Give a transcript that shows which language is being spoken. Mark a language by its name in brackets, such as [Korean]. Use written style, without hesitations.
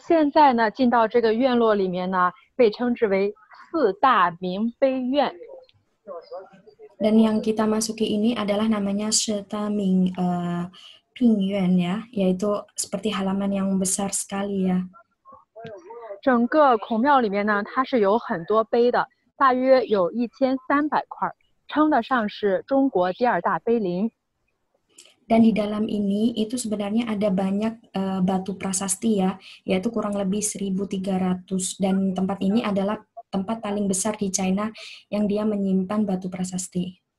[Chinese] 来，我们这边看看。那现在呢，进到这个院落里面呢，被称之为。四大明碑院 [Indonesian] dan yang kita masuki ini adalah namanya Shita Ming Ping Yuan ya, yaitu seperti halaman yang besar sekali ya. [Chinese] 整个孔庙里面呢，它是有很多碑的，大约有1300块，称得上是中国第二大碑林。 [Indonesian] Dan di dalam ini itu sebenarnya ada banyak batu prasasti ya, yaitu kurang lebih 1300 dan tempat ini adalah tempat paling besar di China yang dia menyimpan batu prasasti.